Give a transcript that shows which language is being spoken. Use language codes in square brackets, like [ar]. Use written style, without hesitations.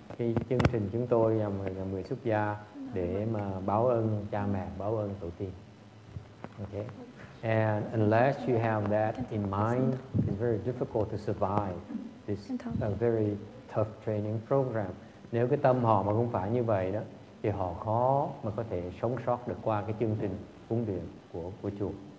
[vi] Cái chương trình chúng tôi là người xuất gia để mà báo ơn cha mẹ, báo ơn tổ tiên. [en] Okay. And unless you have that in mind, it's very difficult to survive this very tough training program. [vi] Nếu cái tâm họ mà không phải như vậy đó, thì họ khó mà có thể sống sót được qua cái chương trình huấn luyện của chùa.